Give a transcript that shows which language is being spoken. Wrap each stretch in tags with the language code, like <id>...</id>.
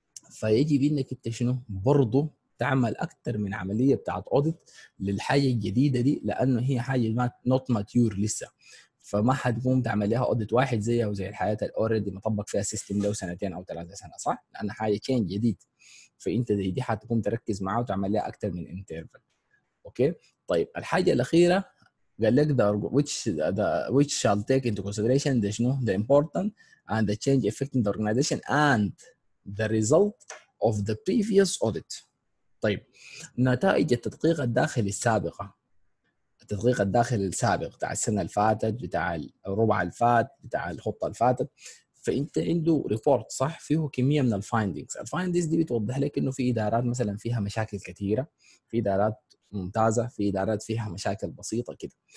<ar>فيجب انك انت شنو برضه تعمل اكثر من عمليه بتاعت اوديت للحاجه الجديده دي، لانه هي حاجه ما نوت ماتيور لسه، فما حتقوم تعمل لها اوديت واحد زيها وزي الحاجات الاوريدي مطبق فيها سيستم لو سنتين او 3 سنة صح، لان حاجه تشينج جديد، فانت دي حتقوم تركز معاه وتعمل لها اكثر من انترفال. اوكي طيب. الحاجه الاخيره قال لك</ar> <en>which shall take into consideration the</en> <ar>شنو</ar> <en>the important and the change affecting the organization and the result of the previous audit.</en> <ar>طيب نتائج التدقيق الداخلي السابقة، التدقيق الداخلي السابق بتاع السنة الفاتت بتاع الربع الفات بتاع الخطة الفاتت، فانت عنده report صح فيه كمية من الفايندينجز. الفايندينجز دي بتوضح لك انه في ادارات مثلا فيها مشاكل كثيرة، في ادارات ممتازة، في إدارات فيها مشاكل بسيطة كده.</ar>